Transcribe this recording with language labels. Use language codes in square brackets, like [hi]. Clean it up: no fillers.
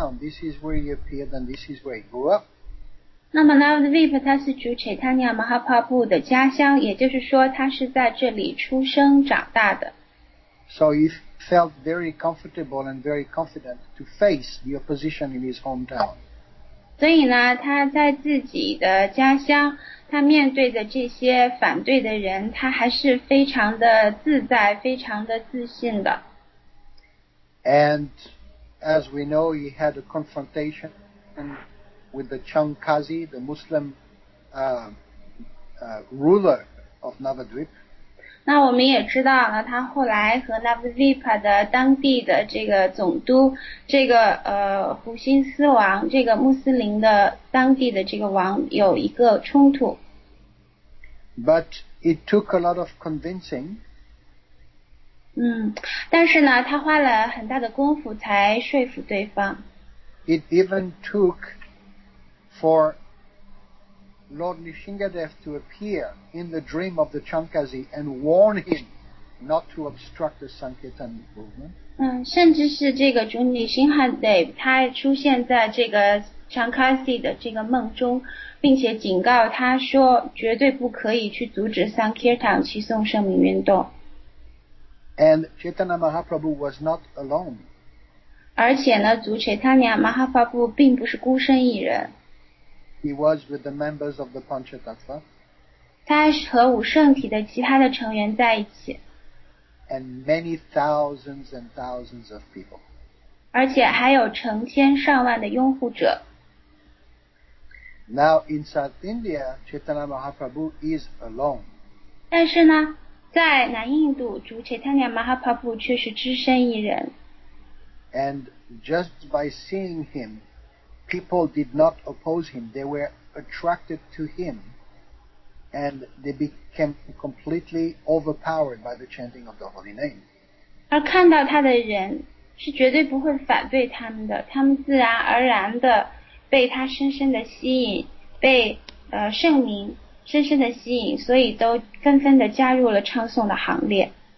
[en] This is where he appeared and this is where he grew up. [zh] 那么 Navadvip 它是主 Chaitanya Mahaprabhu 的家乡，也就是说它是在这里出生长大的。 [en] So he felt very comfortable and very confident to face the opposition in his hometown. [zh] 所以呢，他在自己的家乡，他面对的这些反对的人，他还是非常的自在，非常的自信的。 [en] And as we know, he had a confrontation with the Changkazi, the Muslim ruler of Navadvip. [zh] 那我们也知道呢，他后来和 Navadvip 的当地的这个总督，这个胡辛斯王，这个穆斯林的当地的这个王有一个冲突。 [en] But it took a lot of convincing. [zh] 但是呢，他花了很大的功夫才说服对方。 [en] It even took for Lord Nrisimhadev to appear in the dream of the Changkazi and warn him not to obstruct the Sankirtan movement. [zh] 甚至是这个主 Nrisimhadev 他出现在这个 Changkazi 的这个梦中，并且警告他说绝对不可以去阻止 Sankirtan 齐颂圣名运动。 [en] And Chaitanya Mahaprabhu was not alone. [zh] 而且呢，主 Chaitanya Mahaprabhu 并不是孤身一人。 [en] He was with the members of the Panchatattva. [zh] 他和五圣体的其他的成员在一起。 [en] And many thousands and thousands of people. [zh] 而且还有成千上万的拥护者。 [en] Now in South India, Chaitanya Mahaprabhu is alone. [zh] 但是呢，在南印度，主 Chaitanya Mahaprabhu 却是只身一人。 [en] And just by seeing him, people did not oppose him. They were attracted to him, and they became completely overpowered by the chanting of the holy name. [zh] 而看到他的人是绝对不会反对他们的，他们自然而然的被他深深的吸引，被圣名深深的吸引，所以都纷纷的加入了唱诵的行列。